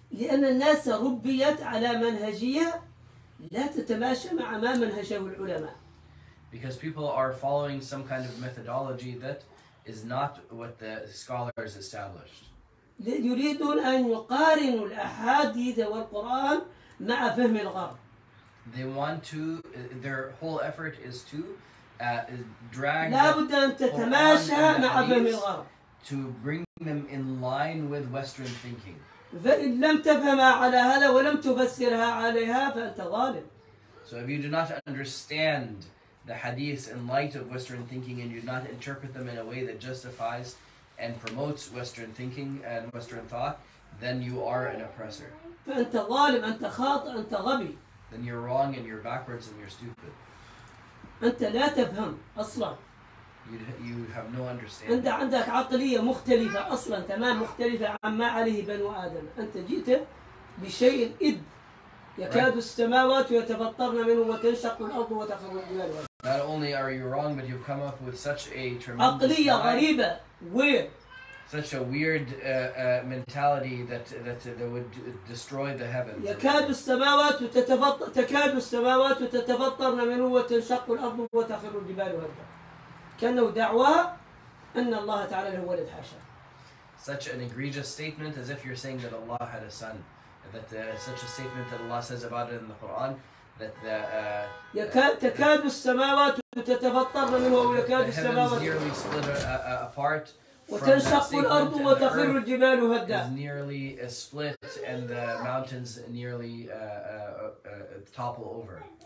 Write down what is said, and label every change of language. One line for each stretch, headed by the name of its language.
Arabic: لأن الناس ربيت على منهجية لا تتماشى مع ما منهجه العلماء.
English: Because people are following some kind of methodology that is not what the scholars established.
Arabic: يريدون أن يقارنوا الأحاديث والقرآن مع فهم الغرب.
English: They want to. Their whole effort is to drag.
Arabic: لا بد أن تتماشى مع فهم الغرب.
English: To bring them in line with Western thinking.
Arabic: فإن لم تفهمها على هذا ولم تفسرها عليها فأنت ظالم.
English: So if you do not understand the hadith in light of Western thinking and you do not interpret them in a way that justifies and promotes Western thinking and Western thought, then you are an oppressor.
Arabic: فأنت ظالم, أنت خاطئ, أنت غبي.
English: Then you're wrong and you're backwards and you're stupid.
Arabic: أنت لا تفهم أصلا.
English: You have no understanding.
Arabic: أنت عندك عقلية مختلفة أصلا تمام مختلفة عما عليه بنو آدم. أنت جئت بشيء إذ يكاد السماوات يتفطرن منه وتنشق الأرض وتخر الجبال.
English: Not only are you wrong, but you've come up with such a tremendous
Arabic: عقلية غريبة.
English: Weird. Such a weird mentality that would destroy the heavens.
Arabic: يكاد السماوات تتفطر تكاد السماوات تتفطرن منه وتنشق الأرض وتخر الجبال هدا. كأنه دعوة أن الله تعالى له ولد حاشا.
English: Such an egregious statement, as if you're saying that Allah had a son. That such a statement that Allah says about it in the Quran, that the
Arabic: يكاد السماوات تتفطر منه ويكاد السماوات.
English: The heavens nearly split apart.
Arabic: وتنشق الأرض وتخر الجبال هدا.
English: Is nearly split and the mountains nearly topple over.